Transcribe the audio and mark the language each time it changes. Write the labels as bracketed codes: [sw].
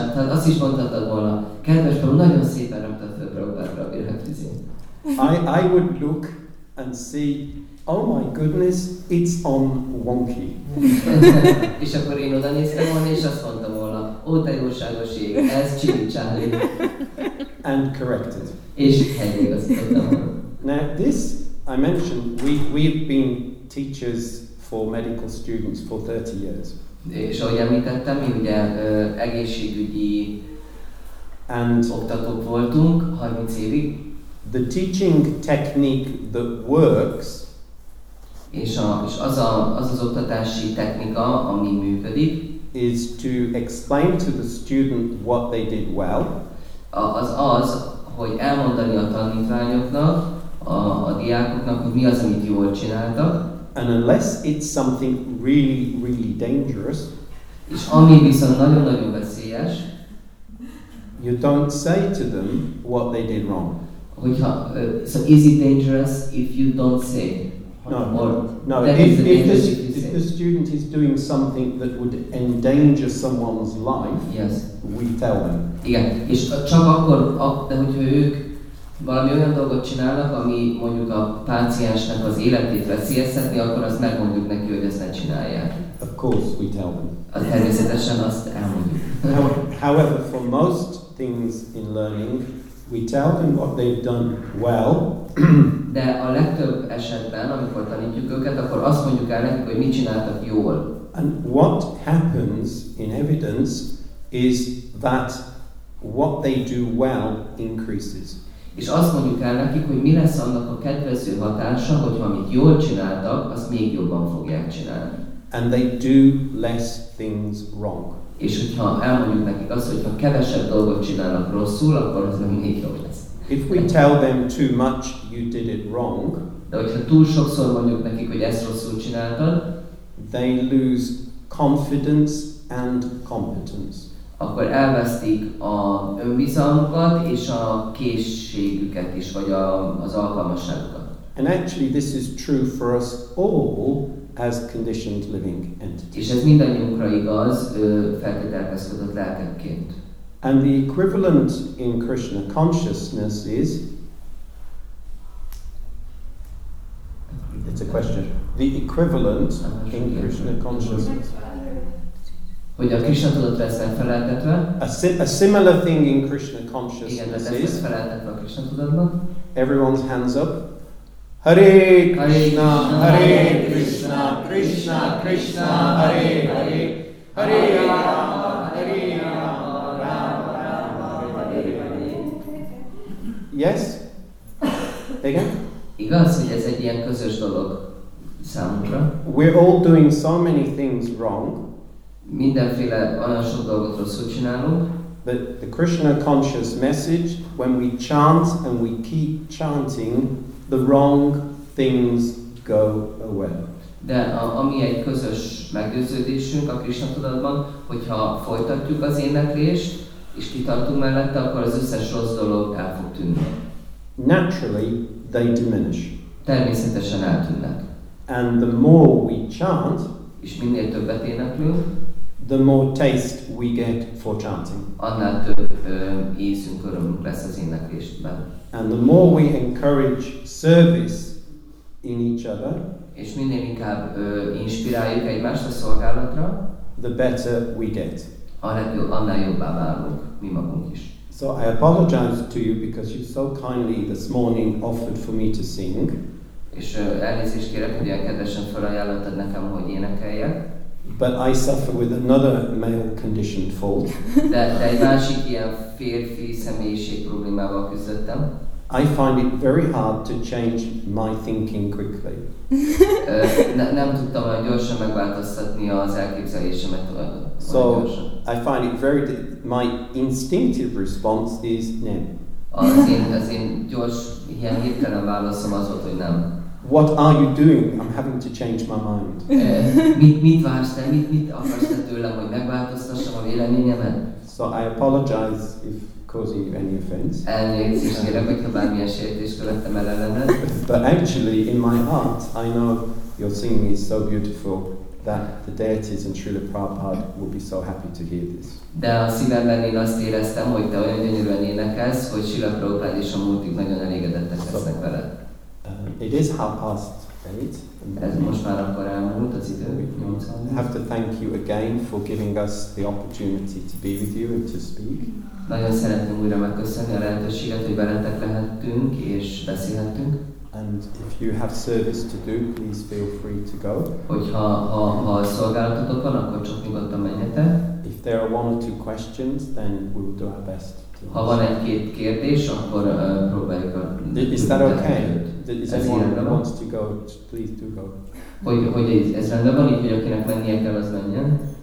[hu] Azt is mondhatod volna, kedves Prabhu, nagyon szépen raktad fel Prabhupádra a virágfüzét. [en] I would look and see, oh my goodness, it's on wonky. [hu] És akkor én oda néztem volna, és azt mondtam volna, ó, te jóságos ég, ez Csiri Csáli. [en] And corrected. [hu] És helyre igazítottam volna. [en] Now this, I mentioned, we've been teachers for medical students for 30 years. [hu] És ahogy említettem, mi ugye egészségügyi oktatók voltunk 30 évig. [en] The teaching technique that works, [hu] és az oktatási technika, ami működik, [en] is to explain to the student what they did well. [hu] Az, hogy elmondani a tanítványoknak, a diákoknak, hogy mi az, amit jól csináltak. [en] And unless it's something really, really dangerous, [hu] és ami viszont nagyon-nagyon veszélyes, [en] you don't say to them what they did wrong. [hu] Hogyha, [en] so is it dangerous if you don't say? No, if the student is doing something that would endanger someone's life, yes, we tell them. [hu] Igen, és csak akkor, de hogyha ők valami olyan dolgot csinálnak, ami mondjuk a páciensnek az életét veszélyeztetni, akkor azt megmondjuk neki, hogy ezt ne csinálják. [en] Of course we tell them. [hu] Természetesen azt elmondjuk. [en] However, for most things in learning, We tell them what they've done well. [hu] De a legtöbb esetben, amikor tanítjuk őket, akkor azt mondjuk el nekik, hogy mit csináltak jól. [en] And what happens in evidence is that what they do well increases. [hu] És azt mondjuk el nekik, hogy mi lesz annak a kedvező hatása, hogy ha amit jól csináltak, azt még jobban fogják csinálni. [en] And they do less things wrong. [hu] És hogyha elmondjuk nekik azt, hogy ha kevesebb dolgot csinálnak rosszul, akkor az nem még jobb lesz. [en] If we tell them too much, you did it wrong. [hu] De hogyha túl sokszor mondjuk nekik, hogy ezt rosszul csináltad, [en] they lose confidence and competence. [hu] Akkor elvesztik a önbizalmukat és a készségüket is, vagy az alkalmasságukat. [en] And actually this is true for us all as conditioned living entities. [hu] És ez mindannyiunkra igaz, feltételezhetett lelkekként. [en] And the equivalent in Krishna consciousness is, it's a question. The equivalent in Krishna consciousness. [hu] Hogy a Krishna tudatra ezt feleltetve. [en] A similar thing in Krishna consciousness is. [hu] Igen, ezt feleltetve a Krishna tudatba. [en] Everyone's hands up. Hare Krishna, [sa] Hare Krishna, Krishna Krishna, Hare Hare, Hare Rama, Hare Rama, Rama Rama, Hare Hare. [en] Yes? [hu] Igen? Igaz, hogy ez egy ilyen közös dolog számunkra. [en] We're all doing so many things wrong. [hu] Mindenféle olyan sok dolgot rosszul csinálunk. [en] But the Krishna conscious message, when we chant and we keep chanting, the wrong things go away. [hu] De ami egy közös meggyőződésünk a Krishna tudatban, hogyha folytatjuk az éneklést és kitartunk mellette, akkor az összes rossz dolog el fog tűnni. [en] Naturally, they diminish. [hu] Természetesen eltűnnek. [en] And the more we chant, [hu] és minél többet éneklünk, [en] the more taste we get for chanting. [hu] Annál több ízünk, örömünk lesz az éneklésben. [en] And the more we encourage service in each other, [hu] és minél inkább inspiráljuk egymást a szolgálatra, [en] the better we get. [hu] Annál jobbá válunk mi magunk is. [en] So I apologize to you because you so kindly this morning offered for me to sing. [hu] És elnézést kérek, hogy ilyen kedvesen felajánlottad nekem, hogy énekeljek. [en] But I suffer with another male conditioned fault. [hu] De egy másik ilyen férfi személyiség problémával küzdöttem. [en] I find it very hard to change my thinking quickly. [hu] Nem tudtam olyan gyorsan megváltoztatni az elképzelésemet. [en] So I find it very my instinctive response is [hu] nem. Az én gyors, ilyen hirtelen válaszom az volt, hogy nem. [en] What are you doing? I'm having to change my mind. [hu] Mit vársz te? Mit akarsz te tőlem, hogy megváltoztassam a véleményemet? [en] So I apologize if causing you any offense. [hu] Elnézést kérek, hogyha bármilyen sértést követtem el ellened. [en] But actually, in my heart, I know your singing is so beautiful that the deities and Srila Prabhupada will be so happy to hear this. [hu] De a szívemben én azt éreztem, hogy te olyan gyönyörűen énekelsz, hogy Srila Prabhupada és a múltig nagyon elégedettek lesznek veled. [en] It is 8:30. [hu] Ez most már akkor elmúlt az idő. [en] I have to thank you again for giving us the opportunity to be with you and to speak. [hu] Nagyon szeretném újra megköszönni a lehetőséget, hogy veletek lehettünk és beszélhettünk. [en] And if you have service to do, please feel free to go. [hu] Hogyha szolgálatotok van, akkor csak nyugodtan menjetek. [en] If there are one or two questions, then we will do our best. [hu] Ha van egy-két kérdés, akkor próbáljuk a... [en] Is that okay? Is anyone wants to go, please do go. [hu] Hogy ez rendben van, így, hogy akinek mennie kell, az menjen.